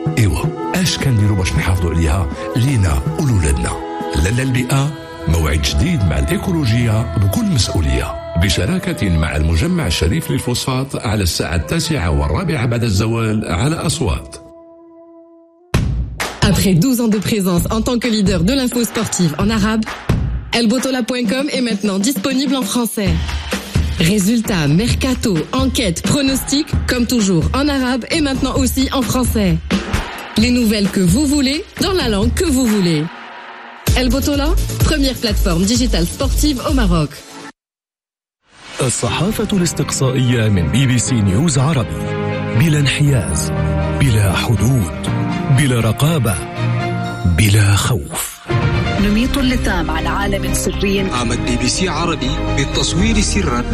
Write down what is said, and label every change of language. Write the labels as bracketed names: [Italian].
[Arabic] إيوا أش كنديروا باش نحافظوا عليها لينا ولولادنا؟ لالا البيئة، موعد جديد مع الإيكولوجيا بكل مسؤولية، بشراكة مع المجمع الشريف للفوسفات على الساعة 9:15 بعد الزوال على أصوات. [French] Après 12 ans de présence en tant que leader de l'info sportive en arabe, elbotola.com est maintenant disponible en français. Résultats, mercato, enquêtes, pronostics, comme toujours en arabe et maintenant aussi en français. Les nouvelles que vous voulez dans la langue que vous voulez. El Botola, première plateforme digitale sportive au Maroc. [Arabic] الصحافة الاستقصائية من بي بي سي نيوز عربي، بلا انحياز، بلا حدود، بلا رقابة، بلا خوف. نميط اللتام على عالم سري. قامت بي بي سي عربي بالتصوير سرا.